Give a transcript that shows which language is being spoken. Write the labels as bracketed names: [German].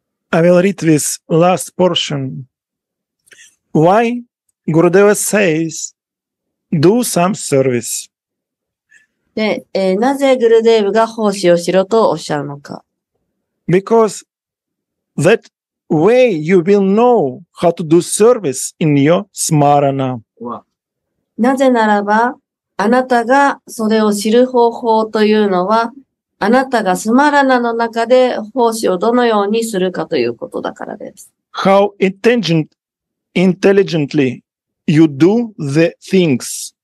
[English] I will read this last portion. Why Gurudeva says, do some service. [Japanese] で、なぜグルデーブが奉仕をしろとおっしゃるのか。 [English] Because that way you will know how to do service in your smarana. [Japanese] なぜならば、あなたがそれを知る方法というのは、あなたがスマラナの中で奉仕をどのようにするかということだからです。 [English] How intelligently you do the things.